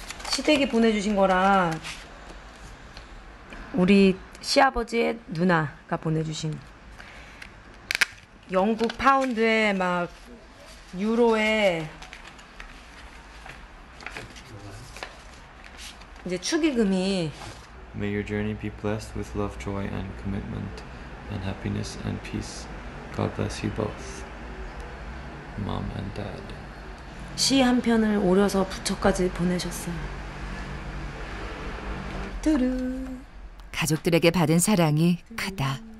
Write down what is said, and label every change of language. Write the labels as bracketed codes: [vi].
[ko] 시댁이 보내주신 거라 우리 시아버지의 누나가 보내주신 영국 파운드에 막 유로에 이제 축의금이. [en] May your journey be blessed with love, joy, and commitment, and happiness and peace. God bless you both. Mom and Dad. [ko] 시 한 편을 오려서 부처까지 보내셨어요. 뚜루. 가족들에게 받은 사랑이 크다.